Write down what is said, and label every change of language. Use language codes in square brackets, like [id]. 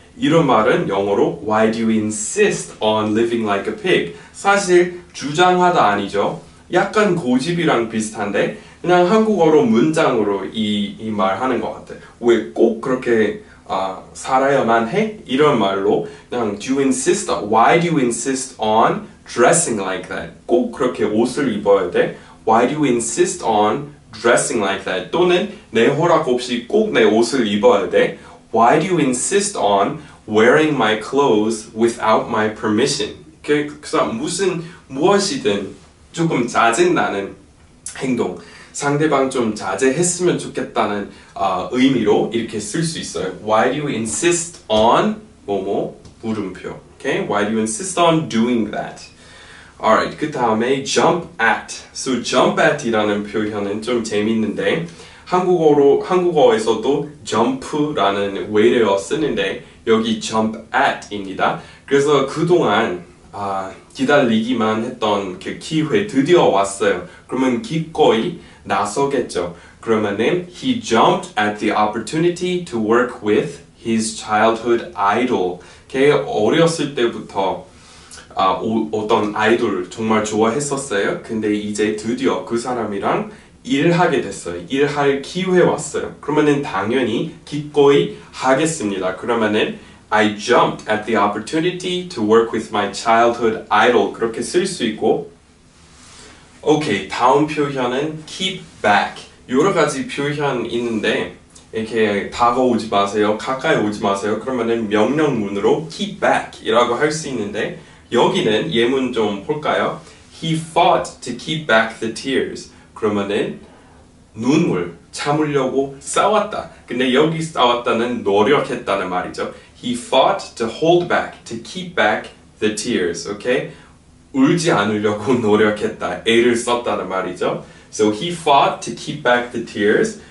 [ko] 이런 말은 영어로 [en] Why do you insist on living like a pig? [ko] 사실 주장하다 아니죠? 약간 고집이랑 비슷한데 그냥 한국어로 문장으로 이 말 하는 것 같아. 왜 꼭 그렇게 살아야만 해? 이런 말로 그냥 [en] do you insist? Why do you insist on dressing like that? [ko] 꼭 그렇게 옷을 입어야 돼? [en] Why do you insist on dressing like that? [ko] 또는 내 허락 없이 꼭 내 옷을 입어야 돼? [en] Why do you insist on wearing my clothes without my permission? [ko] 그래서 무슨 무엇이든 조금 짜증나는 행동 상대방 좀 자제했으면 좋겠다는 의미로 이렇게 쓸 수 있어요. [en] Why do you insist on 뭐뭐 물음표? Okay? Why do you insist on doing that? Alright, [ko] 그 다음에 [en] jump at. [ko] So jump at이라는 표현은 좀 재밌는데 한국어에서도 jump라는 way를 쓰는데 여기 jump at입니다. 그래서 그동안 기다리기만 했던 그 기회 드디어 왔어요. 그러면 기꺼이 나서겠죠. [en] 그러면은 he jumped at the opportunity to work with his childhood idol. [ko] 걔 어렸을 때부터 어떤 아이돌 정말 좋아했었어요. 근데 이제 드디어 그 사람이랑 일하게 됐어요. 일할 기회 왔어요. 그러면은 당연히 기꺼이 하겠습니다. [en] 그러면은 I jumped at the opportunity to work with my childhood idol. [ko] 그렇게 쓸수 있고. 오케이, 다음 표현은 keep back. 여러 가지 표현 있는데, 이렇게 다가오지 마세요, 가까이 오지 마세요. 그러면은 명령문으로 keep back이라고 할수 있는데, 여기는 예문 좀 볼까요? [en] He fought to keep back the tears. [ko] 그러면은 눈물 참으려고 싸웠다. 근데 여기 싸웠다는 노력했다는 말이죠. [en] He fought to hold back, to keep back the tears. 오케이? [ko] 울지 않으려고 노력했다. 애를 썼다는 말이죠. [en] So he fought to keep back the tears.